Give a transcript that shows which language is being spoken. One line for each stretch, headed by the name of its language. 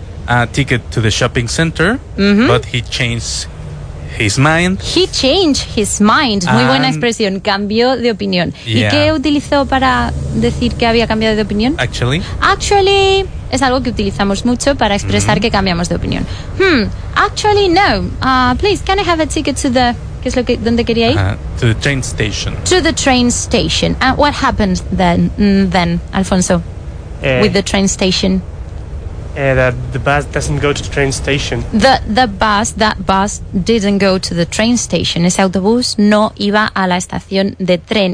English: a ticket to the shopping center, but he changed his mind. He changed his mind.
Spanish: Muy buena expresión. Cambió de opinión.
English: Yeah.
Spanish: ¿Y qué utilizó para decir que había cambiado de opinión?
English: Actually.
Spanish: Es algo que utilizamos mucho para expresar que cambiamos de opinión.
English: Actually, no. Please, can I have a ticket to the...
Spanish: ¿Qué es lo que... ¿Dónde quería ir?
English: To the train station. To the train station. And what happened then, Alfonso, with the train station? The bus doesn't go to the train station. That bus didn't go to the train station.
Spanish: Ese autobús no iba a la estación de tren.